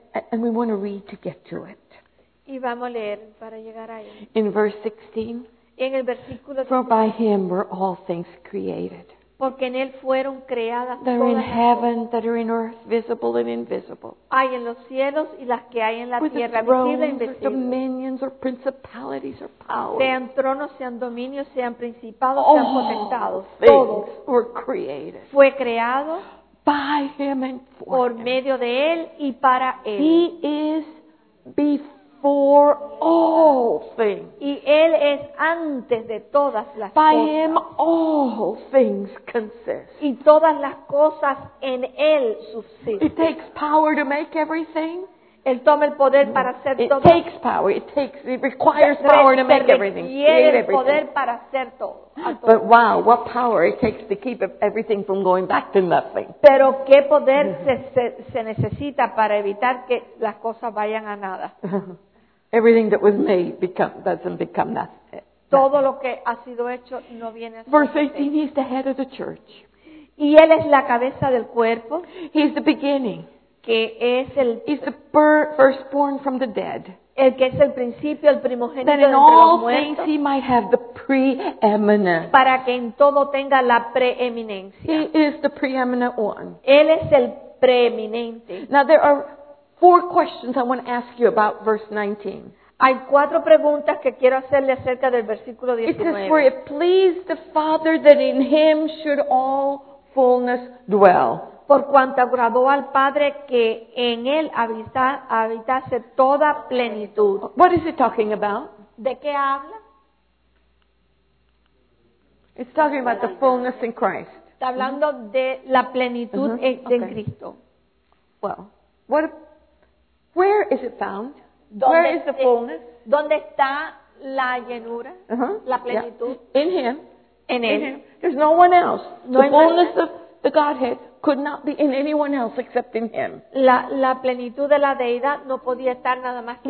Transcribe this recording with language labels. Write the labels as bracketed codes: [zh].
[en] And we want to read to get to it. [es] Y vamos a leer para llegar a él. [en] In verse 16. [es] En el versículo 16. [en] For by him were all things created. [es] Porque en él fueron creadas [en] that are in heaven, that are in earth, visible and invisible. [es] Hay en los cielos y las que hay en la tierra, visible e invisible. [en] Whether thrones, dominions, or principalities, or powers. [es] Sean tronos, sean dominios, sean principados, [en] all [es] sean potestados. [en] Things were created. [es] Fue creado [en] by him and for [es] por medio de él y para él. [en] He is before all things. [es] Y él es antes de todas las [en] By [es] cosas. [en] By him all things consist. [es] Y todas las cosas en él subsisten. [en] It takes power to make everything. [es] Él toma el poder para hacer [en] it [es] todo. [en] It takes power. It takes. It requires power to make everything. [es] Y él el poder para hacer todo. [en] But wow, what power it takes to keep everything from going back to nothing. [es] Pero qué poder se necesita para evitar que las cosas vayan a nada. [en] Everything that was made doesn't become nothing. [es] Todo lo que ha sido hecho no viene a ser. [en] Verse 18, he's the head of the church. [es] Y él es la cabeza del cuerpo. [en] He's the beginning. [es] Que es el. [en] He's the firstborn from the dead. [es] El que es el principio, el primogénito [en] entre [es] los muertos. [en] That in all things he might have the preeminence. [es] Para que en todo tenga la preeminencia. [en] He is the preeminent one. [es] Él es el preeminente. [en] Now there are four questions I want to ask you about verse 19. [es] Hay cuatro preguntas que quiero hacerle acerca del versículo 19. [en] It says, for it pleased the Father that in him should all fullness dwell. [es] Por cuanto agradó al Padre que en él habitase toda plenitud. [en] What is it talking about? [es] ¿De qué habla? [en] It's talking about the fullness in Christ. [es] Está hablando mm-hmm. de la plenitud mm-hmm. en okay. Cristo. [en] Well, where is it found? Where is the fullness? [es] ¿Dónde está la llenura? Uh-huh. La plenitud. [en] Yeah. In him. [es] En él. [en] In him. There's no one else. [es] No [en] the fullness of the Godhead could not be in anyone else except in him. [es] La plenitud de la deidad no podía estar nada más que